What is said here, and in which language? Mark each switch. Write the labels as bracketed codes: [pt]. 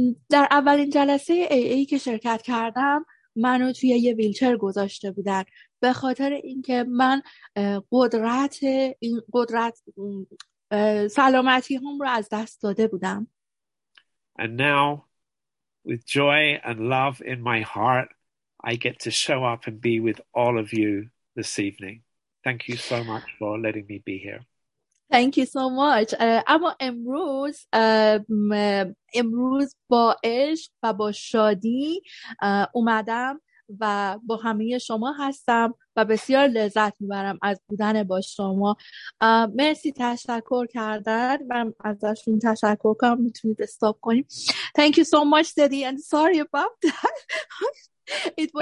[fa] در اولین جلسه AA که شرکت کردم منو توی یه ویلچر گذاشته بودن به خاطر اینکه من قدرت این قدرت سلامتی هم رو از دست داده بودم. [en] And now with joy and love in my heart I get to show up and be with all of you this evening. Thank you so much for letting me be here. Thank you so much. [fa] اما امروز امروز با عشق و با شادی اومدم و با همه شما هستم و بسیار لذت میبرم از بودن با شما. مرسی تشکر کردن و ازشون تشکر کنم. میتونید استاپ کنیم. [en] Thank you so much Daddy and sorry about that. It was